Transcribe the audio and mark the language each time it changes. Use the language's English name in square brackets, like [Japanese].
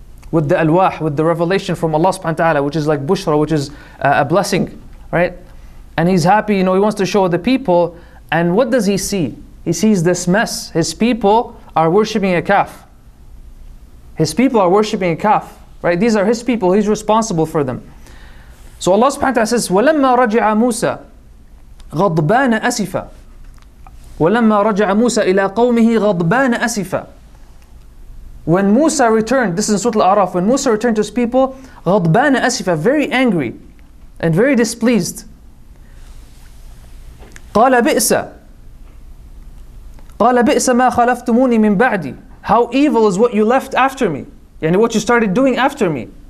[English] with the alwah, with the revelation from Allah subhanahu wa ta'ala, which is like bushra, which is a blessing, right? And he's happy, you know, he wants to show the people. And what does he see? He sees this mess. His people are worshipping a calf. His people are worshipping a calf, right? These are his people, he's responsible for them. So Allah subhanahu wa ta'ala says, [Arabic] وَلَمَّا رَجِعَ مُوسَى غَضْبَانَ أَسِفًا وَلَمَّا رَجَعَ مُوسَى إِلَىٰ قَوْمِهِ غَضْبَانَ أَسِفًا. [English] When Musa returned, this is in Surah Al-A'raf, when Musa returned to his people, [Arabic] غَضْبَانَ أَسِفًا, [English] very angry and very displeased. [Arabic] قَالَ بِئْسَ قَالَ بِئْسَ مَا خَلَفْتُمُونِي مِنْ بَعْدِي. [English] How evil is what you left after me, yani what you started doing after me.